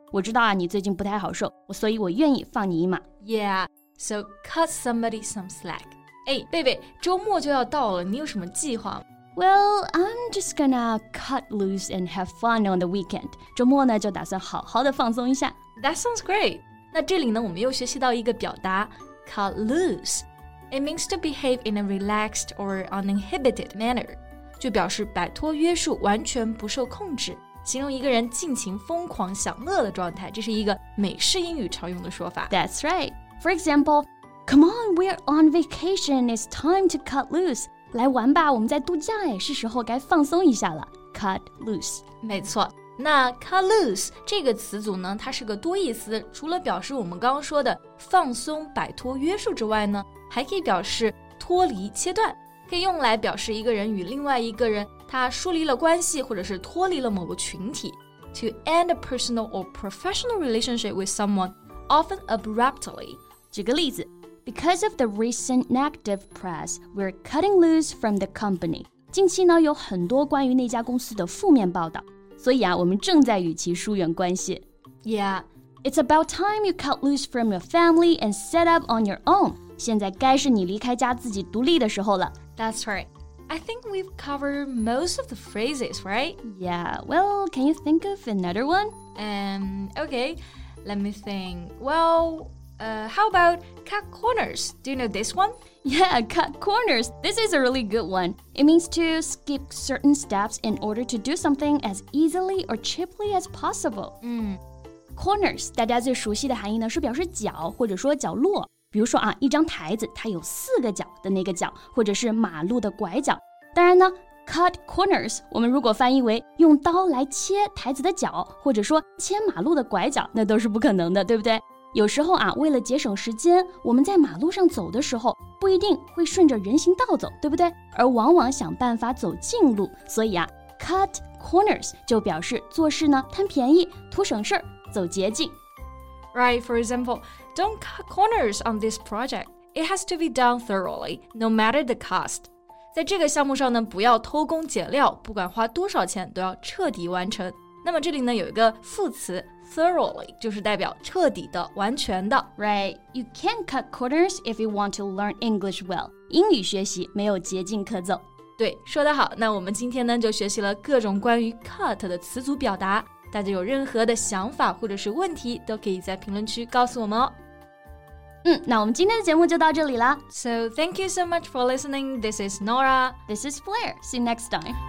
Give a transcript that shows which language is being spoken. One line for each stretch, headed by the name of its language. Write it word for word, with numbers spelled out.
Chinese: 我知道啊，你最近不太好受，所以我愿意放你一马。
English: Yeah, so cut somebody some slack.
Chinese: 哎，贝贝，周末就要到了，你有什么计划吗？
English: Well, I'm just gonna cut loose and have fun on the weekend.
Chinese: 周末呢，就打算好好的放松一下。
English: That sounds great.
Chinese: 那这里呢，我们又学习到一个表达
English: cut loose. It means to behave in a relaxed or uninhibited manner.
Chinese: 就表示摆脱约束，完全不受控制，形容一个人尽情疯狂享乐的状态。这是一个美式英语常用的说法。
English: That's right. For example, come on, we're on vacation. It's time to cut loose.
Chinese: 来玩吧，我们在度假哎，是时候该放松一下了。
English: Cut loose，
Chinese: 没错。那
English: cut loose
Chinese: 这个词组呢，它是个多义词，除了表示我们刚刚说的放松、摆脱约束之外呢，还可以表示脱离、切断，可以用来表示一个人与另外一个人他疏离了关系，或者是脱离了某个群体。
English: To end a personal or professional relationship with someone, often abruptly.
Chinese: 举个例子。
English: Because of the recent negative press, we're cutting loose from the company.
Chinese: 近期呢，有很多关于那家公司的负面报道，所以啊，我们正在与其疏远关系。
English: Yeah, it's about time you cut loose from your family and set up on your own.
Chinese: 现在该是你离开家自己独立的时候了。
English: That's right. I think we've covered most of the phrases, right? Yeah, well, can you think of another one? Um, okay, let me think. Well... Uh, how about cut corners? Do you know this one? Yeah, cut corners. This is a really good one. It means to skip certain steps in order to do something as easily or cheaply as possible. 嗯
Chinese: Corners, 大家最熟悉的含义呢，是表示角或者说角落。比如说啊，一张台子它有四个角的那个角，或者是马路的拐角。当然呢
English: Cut corners,
Chinese: 我们如果翻译为用刀来切台子的角，或者说切马路的拐角，那都是不可能的，对不对？有时候啊，为了节省时间，我们在马路上走的时候，不一定会顺着人行道走，对不对？而往往想办法走近路，所以啊 ，
English: cut corners
Chinese: 就表示做事呢贪便宜、图省事儿、走捷径。
English: Right, for example, don't cut corners on this project. It has to be done thoroughly, no matter the cost.
Chinese: 在这个项目上呢，不要偷工减料，不管花多少钱，都要彻底完成。那么这里呢有一个副词 thoroughly 就是代表彻底的完全的
English: Right, you can cut corners if you want to learn English well
Chinese: 英语学习没有捷径可走对说得好那我们今天呢就学习了各种关于 cut 的词组表达大家有任何的想法或者是问题都可以在评论区告诉我们哦嗯，那我们今天的节目就到这里了
English: So thank you so much for listening This is Nora This is Blair See you next time